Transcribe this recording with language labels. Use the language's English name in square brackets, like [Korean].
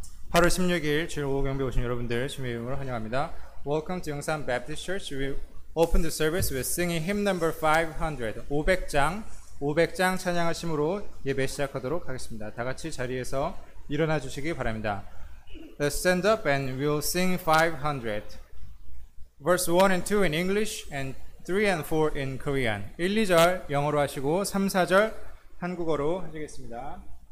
[Korean] 8월 16일 주일 오후 경배 오신 여러분들 주님의 이름으로 환영합니다. [English] Welcome to Yongsan Baptist Church. We open the service with singing hymn number 500, [Korean] 500장 찬양하심으로 예배 시작하도록 하겠습니다. 다 같이 자리에서 일어나 주시기 바랍니다. [English] Let's stand up and we'll sing 500. Verse 1 and 2 in English and 3 and 4 in Korean. [Korean] 1, 2절 영어로 하시고 3, 4절 한국어로 하시겠습니다.